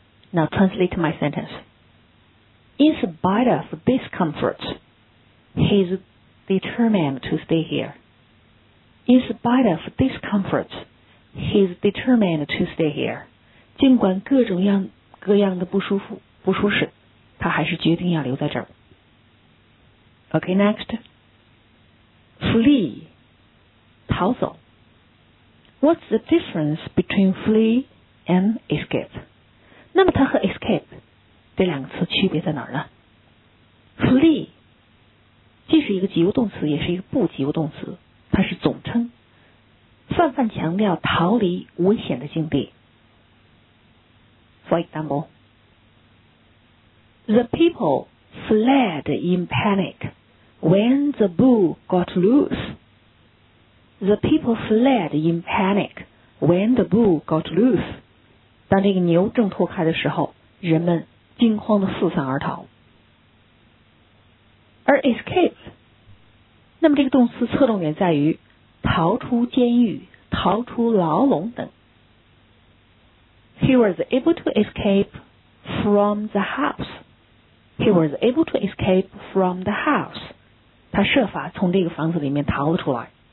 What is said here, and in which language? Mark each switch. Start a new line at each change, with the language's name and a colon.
English: Now translate my sentence In spite of discomfort He's determined to stay here In spite of discomfort He's determined to stay here
Chinese: 尽管各种样各样的不舒服不舒适他还是决定要留在这儿
English: Okay next Flee
Chinese: 逃走
English: What's the difference between flee and escape?
Chinese: 那么它和 escape 这两个词区别在哪儿呢 ？Flee 既是一个及物动词，也是一个不及物动词，它是总称，泛泛强调逃离危险的境地。
English: For example, the people fled in panic when the bull got loose. The people fled in panic when the bull got loose.
Chinese: 当这个牛挣脱开的时候，人们惊慌的四散而逃。而 escape， 那么这个动词侧重点在于逃出监狱、逃出牢笼等。
English: He was able to escape from the house. He was able to escape from the house.
Chinese: 他设法从这个房子里面逃了出来。